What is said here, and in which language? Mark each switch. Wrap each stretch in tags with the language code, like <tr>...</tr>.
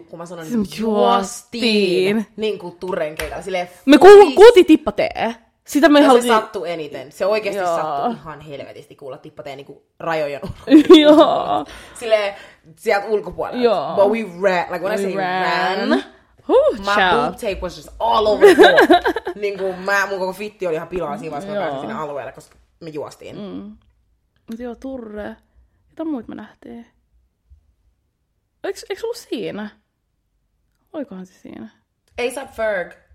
<fi>Kun mä sanon, että juostiin. Niin kuin Turren keikalla. Silleen... Me kuultiin tippatee. Sitä me haluttiin... Se sattui eniten. Se oikeasti sattui ihan helvetisti kuulla tippatee niin kuin rajojen ulkopuolella. Joo. Silleen sieltä ulkopuolella. Joo.</fi> <en>But we ran. Like when I say ran... My boob tape was just all over the floor.</en> <fi>Niin kuin mun koko fitti oli ihan pilaa siinä vaiheessa, kun mä pääsin sinne alueelle, koska me juostiin. Mut joo, Turre. Mitä muut me nähtiin? Eikö ollut siinä? Oikohan se siinä?</fi> <en>A$AP Ferg.</en>